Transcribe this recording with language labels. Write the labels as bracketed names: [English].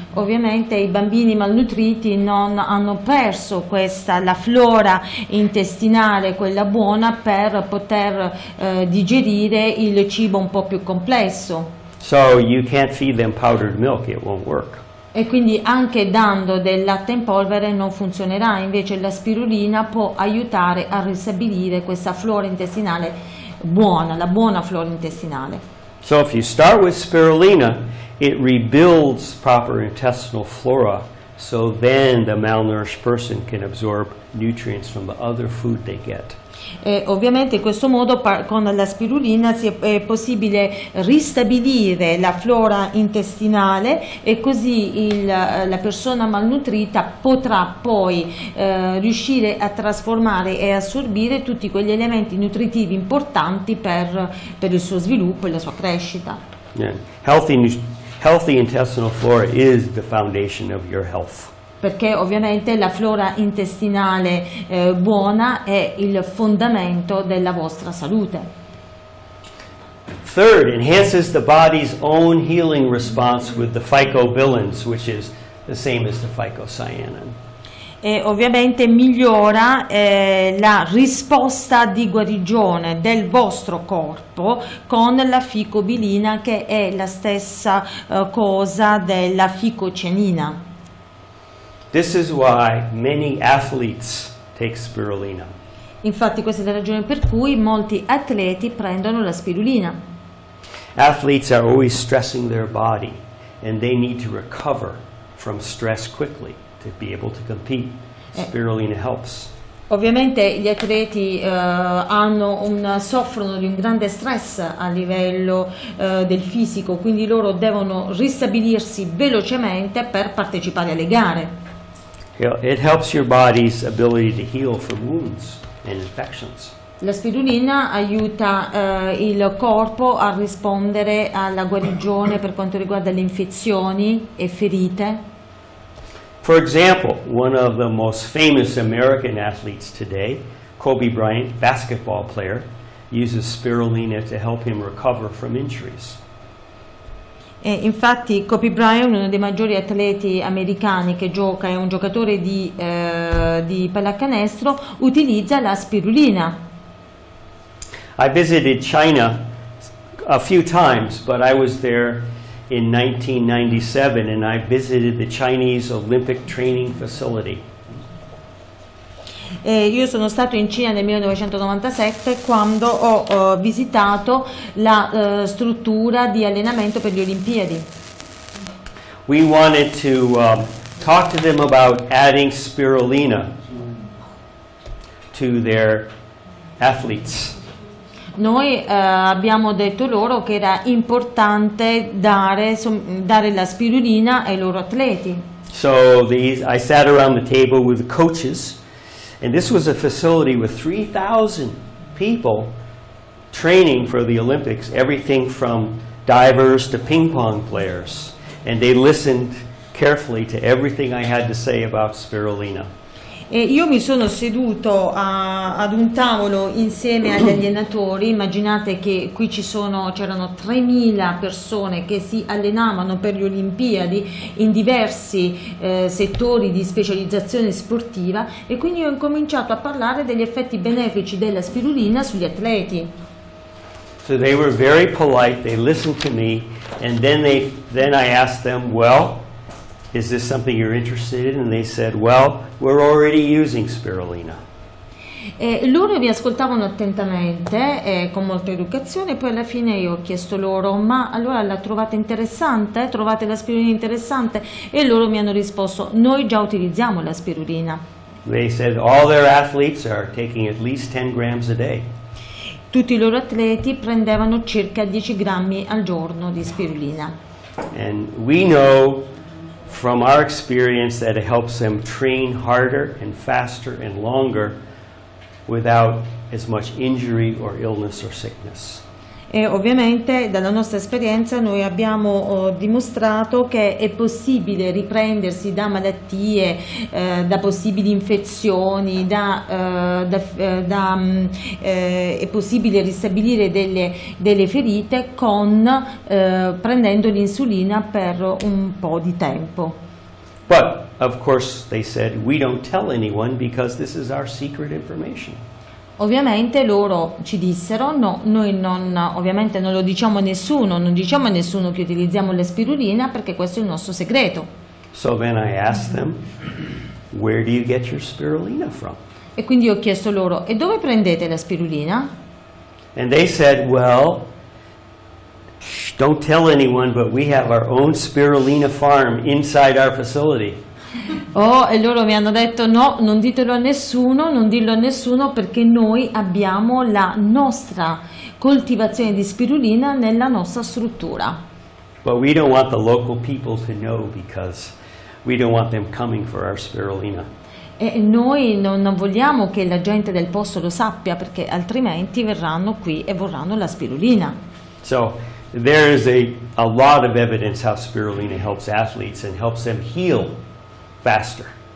[Italian] Ovviamente i bambini malnutriti non hanno perso la flora intestinale, quella buona, per poter digerire il cibo un po' più complesso. [English] So you can't feed them powdered milk, it won't work. [Italian] E quindi anche dando del latte in polvere non funzionerà, invece la spirulina può aiutare a ristabilire questa flora intestinale buona, la buona flora intestinale. [English] So if you start with spirulina, it rebuilds proper intestinal flora, so then the malnourished person can absorb nutrients from the other food they get. [Italian] E ovviamente in questo modo con la spirulina è possibile ristabilire la flora intestinale e così la persona malnutrita potrà poi riuscire a trasformare e assorbire tutti quegli elementi nutritivi importanti per il suo sviluppo e la sua crescita. [English] Yeah. Healthy Healthy intestinal flora is the foundation of your health. [Italian] Perché ovviamente la flora intestinale buona è il fondamento della vostra salute. [English] Third, enhances the body's own healing response with the phycobilins, which is the same as the phycocyanin. [Italian] E ovviamente migliora la risposta di guarigione del vostro corpo con la ficobilina, che è la stessa cosa della ficocenina. [English] This is why many athletes take spirulina. [Italian] Infatti questa è la ragione per cui molti atleti prendono la spirulina. [English] Athletes are always stressing their body and they need to recover from stress quickly to be able to compete. Spirulina helps. [Italian] Ovviamente gli atleti soffrono di un grande stress a livello del fisico, quindi loro devono ristabilirsi velocemente per partecipare alle gare. [English] It helps your body's ability to heal from wounds and infections. [Italian] La spirulina aiuta il corpo a rispondere alla guarigione per quanto riguarda le infezioni e ferite. [English] For example, one of the most famous American athletes today, Kobe Bryant, basketball player, uses spirulina to help him recover from injuries. [Italian] E infatti Kobe Bryant, uno dei maggiori atleti americani che gioca, è un giocatore di pallacanestro, utilizza la spirulina. [English] I visited China a few times, but I was there in 1997 and I visited the Chinese Olympic training facility. [Italian] Io sono stato in Cina nel 1997 quando ho visitato la struttura di allenamento per le Olimpiadi. [English] We wanted to talk to them about adding spirulina to their athletes. [Italian] Noi abbiamo detto loro che era importante dare la spirulina ai loro atleti. [English] So I sat around the table with the coaches. And this was a facility with 3,000 people training for the Olympics, everything from divers to ping pong players. And they listened carefully to everything I had to say about spirulina. [Italian] E io mi sono seduto ad un tavolo insieme agli allenatori. Immaginate che qui c'erano 3.000 persone che si allenavano per le Olimpiadi in diversi settori di specializzazione sportiva, e quindi ho incominciato a parlare degli effetti benefici della spirulina sugli atleti. [English] So they were very polite, they listened to me, and then I asked them, well, is this something you're interested in? And they said, well, we're already using spirulina. [Italian] E loro mi ascoltavano attentamente e con molta educazione, poi alla fine io ho chiesto loro, ma allora la trovate interessante? Trovate la spirulina interessante? E loro mi hanno risposto, noi già utilizziamo la spirulina. [English] They said all their athletes are taking at least 10 grams a day. [Italian] Tutti i loro atleti prendevano circa 10 grammi al giorno di spirulina. [English] And we know from our experience that it helps them train harder and faster and longer without as much injury or illness or sickness. [Italian] E ovviamente dalla nostra esperienza noi abbiamo dimostrato che è possibile riprendersi da malattie, da possibili infezioni, è possibile ristabilire delle ferite prendendo l'insulina per un po' di tempo. [English] But of course they said we don't tell anyone because this is our secret information. [Italian] Ovviamente loro ci dissero, no, noi non, ovviamente non lo diciamo a nessuno, non diciamo a nessuno che utilizziamo la spirulina perché questo è il nostro segreto. [English] So then I asked them, where do you get your spirulina from? [Italian] E quindi ho chiesto loro, e dove prendete la spirulina? [English] And they said, well, don't tell anyone, but we have our own spirulina farm inside our facility. [Italian] Oh, e loro mi hanno detto no, non ditelo a nessuno, non dirlo a nessuno perché noi abbiamo la nostra coltivazione di spirulina nella nostra struttura. [English] But we don't want the local people to know because we don't want them coming for our spirulina. [Italian] E noi non vogliamo che la gente del posto lo sappia perché altrimenti verranno qui e vorranno la spirulina. So [English] There is a lot of evidence how spirulina helps athletes and helps them heal faster.